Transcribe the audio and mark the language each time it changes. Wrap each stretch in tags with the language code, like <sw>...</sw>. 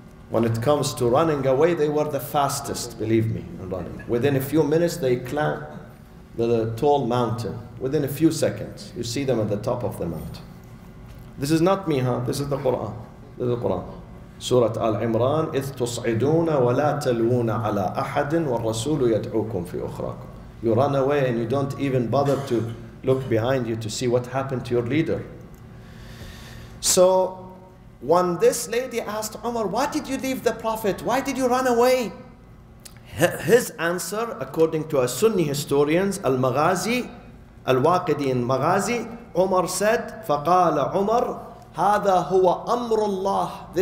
<en>When it comes to running away, they were the fastest, believe me, in running. Within a few minutes, they climb the tall mountain. Within a few seconds, you see them at the top of the mountain. This is not me, huh? This is the Quran.</en> <ar>سورة آل عمران: إذ تصعدون ولا تلوون على أحد والرسول يدعوكم في أخراكم.</ar> <en>You run away and you don't even bother to look behind you to see what happened to your leader. So when this lady asked Umar, why did you leave the Prophet? Why did you run away? His answer, according to a Sunni historian, Al-Maghazi, Al-Waqidi in Maghazi, Umar said,</en> <ar>فَقَالَ عُمَرُ هَذَا هُوَ أَمْرُ اللَّهِ.</ar>